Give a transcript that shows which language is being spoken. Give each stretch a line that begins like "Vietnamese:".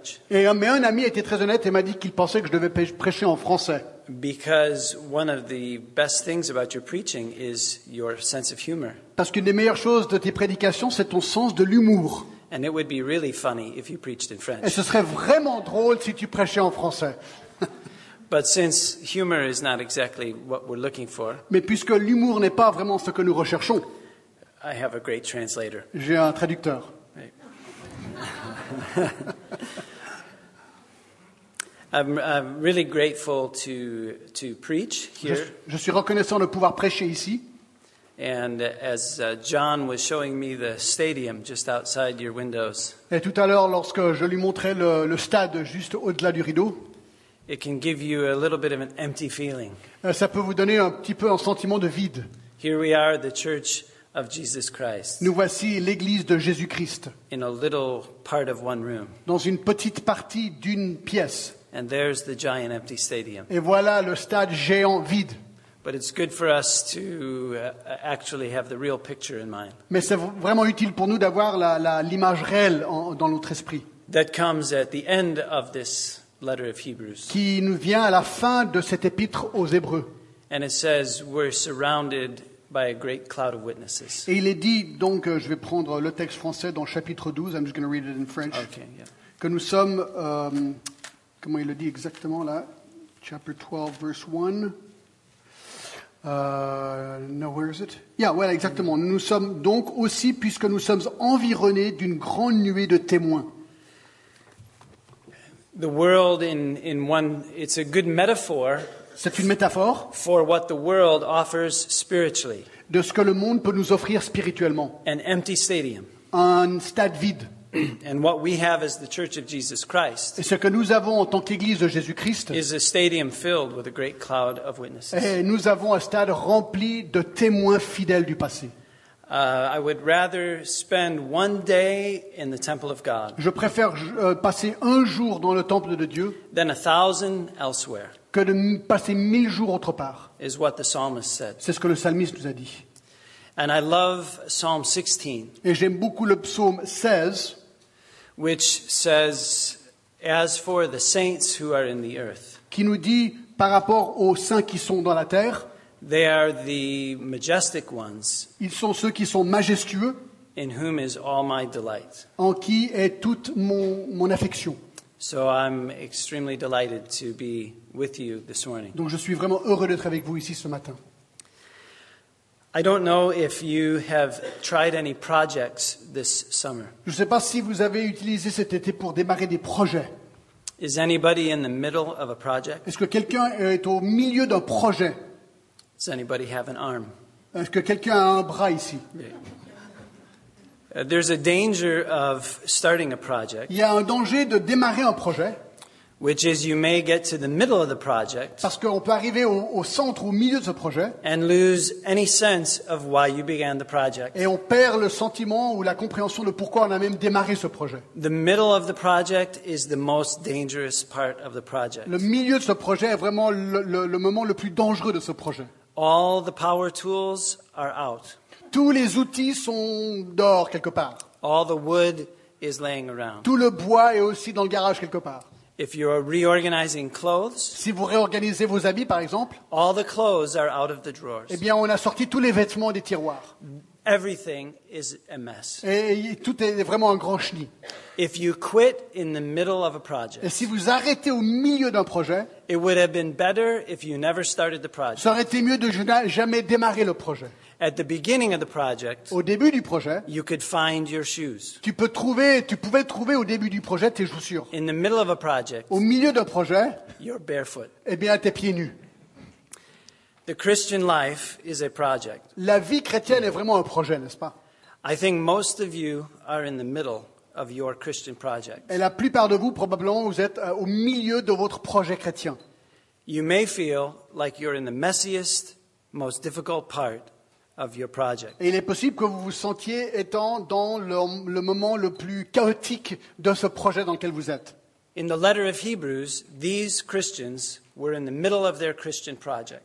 French: Et un ami a été très honnête et m'a dit qu'il pensait que je devais prêcher en français.
English: Because one of the best things about your preaching is your sense of humor.
French: Parce qu'une des meilleures choses de tes prédications, c'est ton sens de l'humour.
English: And it would be really funny if you preached in French.
French: Et ce serait vraiment drôle si tu prêchais en français.
English: But since humor is not exactly what we're looking for.
French: Mais puisque l'humour n'est pas vraiment ce que nous recherchons.
English: I have a great translator.
French: J'ai un traducteur.
English: I'm really grateful to preach here.
French: Je suis reconnaissant de pouvoir prêcher ici.
English: And as John was showing me the stadium just outside your windows.
French: Et tout à l'heure lorsque je lui montrais le stade juste au-delà du rideau.
English: It can give you a little bit of an empty feeling.
French: Ça peut vous donner un petit peu un sentiment de vide.
English: Here we are, the Church of Jesus Christ.
French: Nous voici l'église de Jésus-Christ.
English: In a little part of one room.
French: Dans une petite partie d'une pièce.
English: And there's the giant empty stadium.
French: Et voilà le stade géant vide.
English: But it's good for us to actually have the real picture in mind.
French: Mais c'est vraiment utile pour nous d'avoir l'image réelle dans notre esprit.
English: That comes at the end of this letter of Hebrews.
French: Qui nous vient à la fin de cette épître aux Hébreux.
English: And it says we're surrounded by a great cloud of witnesses.
French: Et il est dit donc, je vais prendre le texte français dans chapitre 12.
English: I'm just going to read it in French. Okay, yeah.
French: Que nous sommes comment il le dit exactement là?
English: Chapter 12, verse 1. Where is it? Yeah, well, exactement.
French: Nous sommes donc aussi, puisque nous sommes environnés d'une grande nuée de témoins.
English: The world in one, it's a good metaphor.
French: C'est une métaphore.
English: For what the world offers spiritually.
French: De ce que le monde peut nous offrir spirituellement.
English: An empty stadium.
French: Un stade vide.
English: And what we have as the Church of Jesus Christ.
French: Et ce que nous avons en tant qu'église de Jésus-Christ.
English: Is a stadium filled with a great cloud of witnesses.
French: Et nous avons un stade rempli de témoins fidèles du passé.
English: I would rather spend one day in the temple of God.
French: Je préfère passer un jour dans le temple de Dieu.
English: Than 1,000 elsewhere.
French: Que de passer 1,000 jours autre part.
English: Is what the psalmist said.
French: C'est ce que le psalmiste nous a dit.
English: And I love Psalm 16.
French: Et j'aime beaucoup le psaume 16,
English: which says, "As for the saints who are in the earth."
French: Qui nous dit par rapport aux saints qui sont dans la terre.
English: They are the majestic ones.
French: Ils sont ceux qui sont majestueux.
English: In whom is all my delight.
French: En qui est toute mon affection.
English: So I'm extremely delighted to be with you this morning.
French: Donc je suis vraiment heureux d'être avec vous ici ce matin.
English: I don't know if you have tried any projects this summer.
French: Je ne sais pas si vous avez utilisé cet été pour démarrer des projets.
English: Is anybody in the middle of a project?
French: Est-ce que quelqu'un est au milieu d'un projet?
English: Does anybody have an arm?
French: Est-ce que quelqu'un a un bras ici?
English: Yeah. There's a danger of starting a project.
French: Il y a un danger de démarrer un projet.
English: Which is you may get to the middle of the project.
French: Parce qu'on peut arriver au centre ou au milieu de ce projet.
English: And lose any sense of why you began the project.
French: Et on perd le sentiment ou la compréhension de pourquoi on a même démarré ce projet.
English: The middle of the project is the most dangerous part of the project.
French: Le milieu de ce projet est vraiment le moment le plus dangereux de ce projet.
English: All the power tools are out.
French: Tous les outils sont dehors quelque part.
English: All the wood is laying around.
French: Tout le bois est aussi dans le garage quelque part.
English: If you are reorganizing clothes,
French: si vous réorganisez vos habits, par exemple,
English: all the clothes are out of the drawers.
French: Eh bien, on a sorti tous les vêtements des tiroirs.
English: Everything is a mess.
French: Et tout est vraiment un grand chenil.
English: If you quit in the middle of a project,
French: et si vous arrêtez au milieu d'un projet,
English: it would have been better if you never started the project.
French: Ça aurait été mieux de jamais démarrer le projet.
English: At the beginning of the project,
French: au début du projet,
English: you could find your shoes.
French: Tu pouvais trouver au début du projet tes chaussures.
English: In the middle of a project,
French: au milieu d'un projet,
English: you're barefoot.
French: Eh bien, tes pieds nus.
English: The Christian life is a project.
French: La vie chrétienne est vraiment un projet, n'est-ce pas?
English: I think most of you are in the middle of your Christian project.
French: Et la plupart de vous, probablement, vous êtes au milieu de votre projet chrétien.
English: You may feel like you're in the messiest, most difficult part of your project.
French: Et il est possible que vous vous sentiez étant dans le moment le plus chaotique de ce projet dans lequel vous êtes.
English: In the letter of Hebrews, these Christians were in the middle of their Christian project.